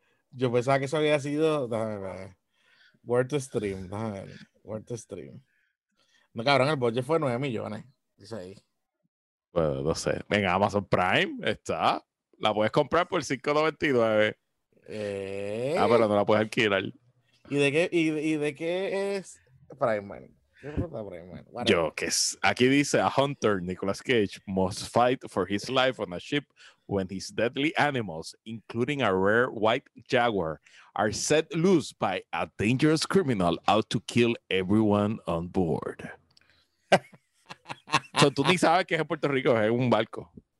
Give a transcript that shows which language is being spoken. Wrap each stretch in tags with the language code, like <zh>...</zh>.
<es>Yo pensaba que eso había sido...</es> <en>Word to stream. Word to stream.</en> <es>No, cabrón, el budget fue 9 millones. Dice ahí. Bueno, no sé. En Amazon Prime está. La puedes comprar por $5.99. Ah, pero no la puedes alquilar. ¿Y de qué es Primal? ¿Qué pasa Primal? Bueno. Yo, que es, aquí dice</es> <en>a hunter Nicolas Cage must fight for his life on a ship when his deadly animals, including a rare white jaguar, are set loose by a dangerous criminal out to kill everyone on board.</en> <es>So, tú ni sabes que es en Puerto Rico, es un barco.</es>